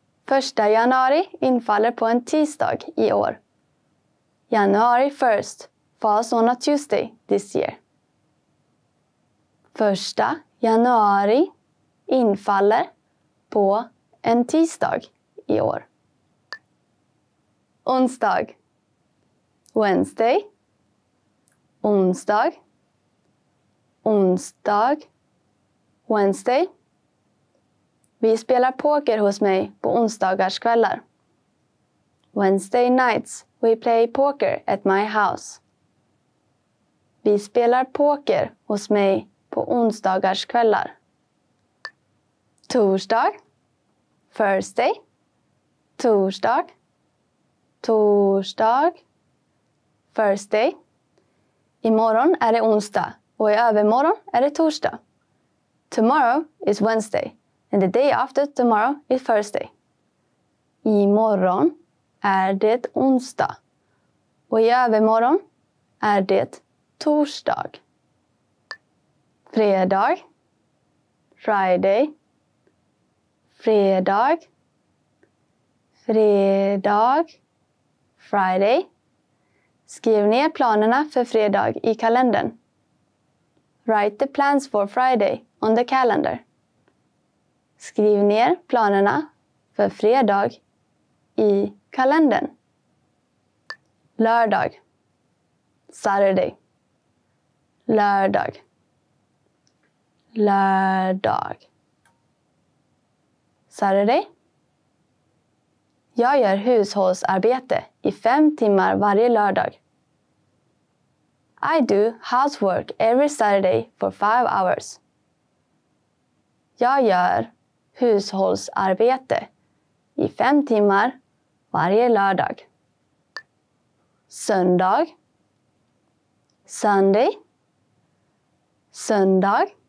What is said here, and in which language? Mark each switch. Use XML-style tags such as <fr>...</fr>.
<sv>1 januari infaller på en tisdag i år.</sv> <en>January 1st falls on a Tuesday this year.</en> <sv>1 januari infaller på en tisdag i år. Onsdag.</sv> <en>Wednesday.</en> <sv>Onsdag. Onsdag. Wednesday. Vi spelar poker hos mig på onsdagarskvällar.</sv> <en>Wednesday nights we play poker at my house.</en> <sv>Vi spelar poker hos mig på onsdagarskvällar. Torsdag.</sv> <en>Thursday.</en> <sv>Torsdag. Torsdag.</sv> <en>Thursday.</en> <sv>Imorgon är det onsdag och i övermorgon är det torsdag.</sv> <en>Tomorrow is Wednesday and the day after tomorrow is Thursday.</en> <sv>Imorgon är det onsdag. Och i övermorgon är det torsdag. Fredag.</sv> <en>Friday.</en> <sv>Fredag. Fredag.</sv> <en>Friday.</en> <sv>Skriv ner planerna för fredag i kalendern.</sv> <en>Write the plans for Friday on the calendar.</en> <sv>Skriv ner planerna för fredag i kalendern. Lördag.</sv> <en>Saturday.</en> <sv>Lördag. Lördag.</sv> <en>Saturday.</en> <sv>Jag gör hushållsarbete i 5 timmar varje lördag.</sv> <en>I do housework every Saturday for 5 hours.</en> <sv>Jag gör hushållsarbete i 5 timmar varje lördag. Söndag.</sv> <en>Sunday.</en> <sv>Söndag.</sv>